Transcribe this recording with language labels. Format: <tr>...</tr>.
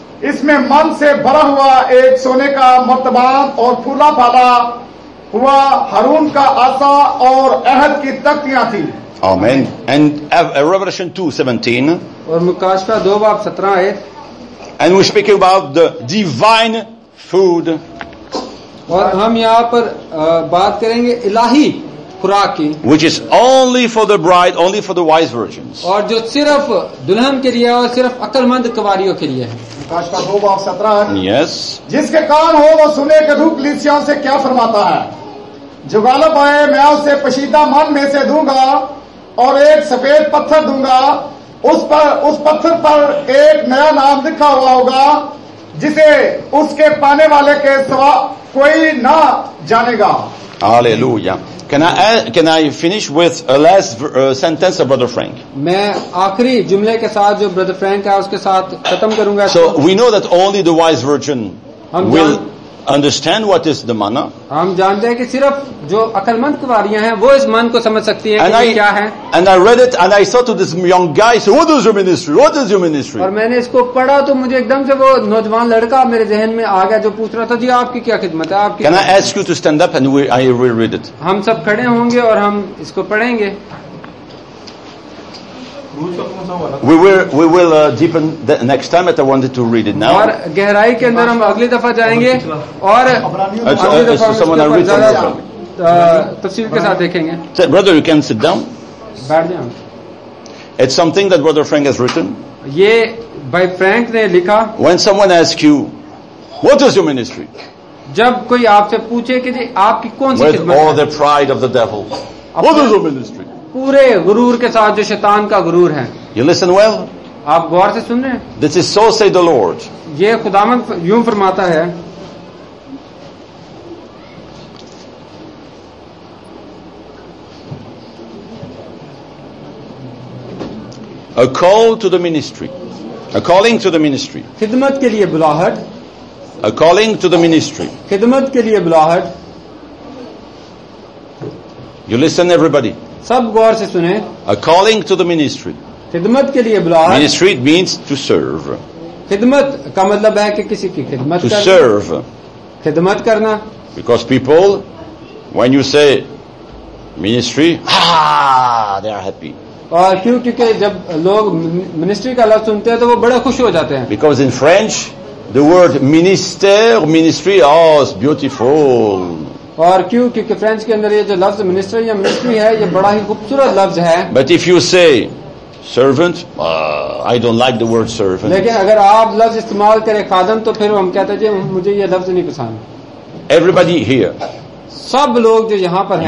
<hi>इसमें मन से भरा हुआ एक सोने का मर्तबान और फूला फाला हुआ हारून का आसा और अहद की तख्तियां थी.</hi> <en>आमीन. And Revelation 2:17</en> <hi>और मुकाशफा 2:17 है.</hi> <en>And we speak about the divine food.</en> <hi>और हम यहाँ पर बात करेंगे इलाही खुराक की.</hi> <en>Which is only for the bride, only for the wise virgins.</en> <hi>और जो सिर्फ दुल्हन के लिए और सिर्फ अक्लमंद कुंवारियों के लिए है. काशका 2:17 है.</hi> <en>Yes.</en> <hi>जिसके कान हो वो सुने के रूप लिसियों से क्या फरमाता है. जुगालब आए मैं उसे पशीदा मन में से दूंगा और एक सफेद पत्थर दूंगा. उस पत्थर पर एक नया नाम लिखा हुआ होगा जिसे उसके पाने वाले के सवा कोई ना जानेगा. Hallelujah.</hi> <en>Can I finish with a last sentence of Brother Frank?</en> <hi>मैं आखिरी जुमले के साथ जो Brother Frank है उसके साथ खत्म करूंगा.</hi> <en>So we know that only the wise virgin will understand what is the mana.</en> <hi>हम जानते हैं कि सिर्फ जो अकलमंद कुवारियां हैं वो इस मन को समझ सकती हैं कि क्या है.</hi> <en>And I read it and I saw to this young guy, so what is your ministry? What is your ministry?</en> <hi>और मैंने इसको पढ़ा तो मुझे एकदम से वो नौजवान लड़का मेरे जहन में आ गया जो पूछ रहा था जी आपकी क्या खिदमत है आपकी.</hi> <en>Can I ask you to stand up and I will read it.</en> <hi>हम सब खड़े होंगे और हम इसको पढ़ेंगे.</hi> <en>We will deepen the next time, but I wanted to read it now.</en> <hi>और गहराई के अंदर हम अगली दफा जाएंगे और अगली दफा तफसील के साथ देखेंगे.</hi> <en>So, brother, you can sit down.</en> <hi>बैठ जाएं.</hi> <en>It's something that Brother Frank has written.</en> <hi>ये भाई फ्रैंक ने लिखा.</hi> <en>When someone asks you, what is your ministry?</en> <hi>जब कोई आपसे पूछे कि जी आपकी कौन सी खिदमत है?</hi> <en>With all the pride of the devil, what is your ministry?</en> <hi>पूरे गुरूर के साथ जो शैतान का गुरूर है.</hi> <en>You listen well?</en> <hi>आप गौर से सुन रहे हैं.</hi> <en>This is so say the Lord.</en> <hi>ये खुदामंद यूं फरमाता है.</hi> <en>A call to the ministry. A calling to the ministry.</en> <hi>खिदमत के लिए बुलाहट.</hi> <en>A calling to the ministry.</en> <hi>खिदमत के लिए बुलाहट.</hi> <en>You listen everybody.</en> <hi>सब गौर से सुने.</hi> <en>A calling to the ministry.</en> <hi>खिदमत के लिए बुलाहट.</hi> <en>Ministry means to serve.</en> <hi>खिदमत का मतलब है कि किसी की खिदमत.</hi> <en>To serve.</en> <hi>खिदमत करना.</hi> <en>Because people, when you say ministry, they are happy.</en> <hi>और क्यों? क्योंकि जब लोग ministry का लफ्ज सुनते हैं तो वो बड़े खुश हो जाते हैं.</hi> <en>Because in French, the word minister, ministry, oh, it's beautiful.</en> <hi>और क्यों? क्योंकि फ्रेंच के अंदर ये जो लफ्ज मिनिस्टर या मिनिस्ट्री है ये बड़ा ही खूबसूरत लफ्ज है.</hi> <en>But if you say servant, I don't like the word servant.</en> <hi>लेकिन अगर आप लफ्ज इस्तेमाल करें खादम तो फिर हम कहते हैं जी मुझे ये लफ्ज नहीं पसंद.</hi> <en>everybody here,</en> <hi>सब लोग जो यहाँ पर</hi>